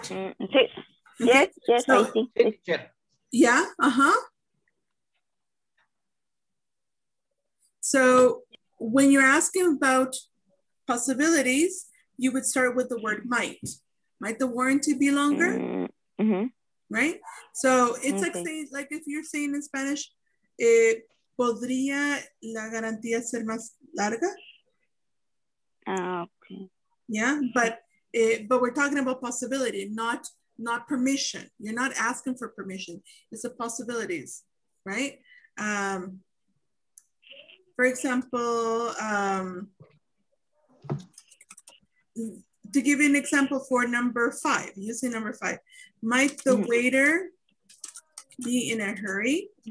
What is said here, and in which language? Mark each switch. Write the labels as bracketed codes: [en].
[en] Mm-hmm. Okay. Yes, so, I see. Yeah, uh-huh. So when you're asking about possibilities, you would start with the word might. Might the warranty be longer? Mm-hmm. Right? So it's okay. like if you're saying in Spanish, eh, [es] ¿podría la garantía ser más larga? [en] Okay. Yeah, but we're talking about possibility, not permission. You're not asking for permission. It's the possibilities, right? For example, to give you an example for number five, using number five, might the waiter be in a hurry?